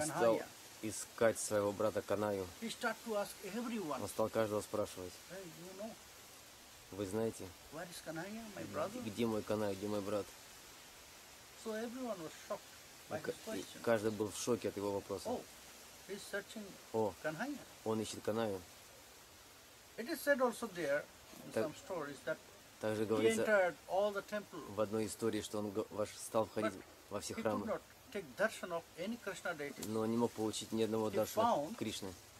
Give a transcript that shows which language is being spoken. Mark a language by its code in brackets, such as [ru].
[ru] Он стал искать своего брата Канаю. [en] He started to ask everyone. [ru] Он стал каждого спрашивать. [en] Hey, you know? [ru] Вы знаете? [en] Where is Kanhaiya, my brother? [ru] Где мой Канай, где мой брат? [en] So everyone was shocked by his question. [ru] Каждый был в шоке от его вопроса. [en] Oh, he's searching Kanhaiya. [ru] Он ищет Канаю. [en] It is said also there in some stories that. [ru] Также говорится в одной истории, что он стал входить во все храмы, но не мог получить ни одного даршана Кришны.